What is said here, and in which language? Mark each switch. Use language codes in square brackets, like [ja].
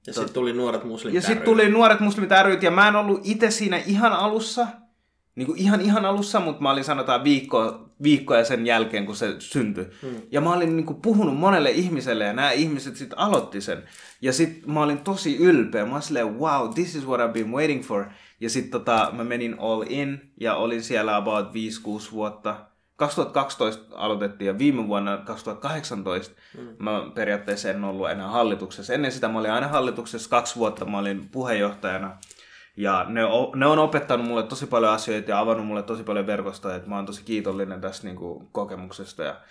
[fi] ja sitten tuli nuoret muslimit ry. Ja sitten tuli nuoret muslimit ry, ja mä en ollut itse siinä ihan alussa, niin kuin ihan alussa, mutta mä olin sanotaan viikkoja sen jälkeen, kun se syntyi. Hmm. Ja mä olin niin kuin puhunut monelle ihmiselle ja nämä ihmiset sitten aloitti sen. Ja sitten mä olin tosi ylpeä. Mä olin silleen, [en] wow, this is what I've been waiting for. [fi] Ja sitten tota, mä menin [en] all in [fi] ja olin siellä about 5-6 vuotta. 2012 aloitettiin ja viime vuonna 2018 mä periaatteessa en ollut enää hallituksessa. Ennen sitä mä olin aina hallituksessa 2 vuotta, mä olin puheenjohtajana. Ja ne on opettanut mulle tosi paljon asioita ja avannut mulle tosi paljon verkostoja, että mä oon tosi kiitollinen tästä niin kuin, kokemuksesta.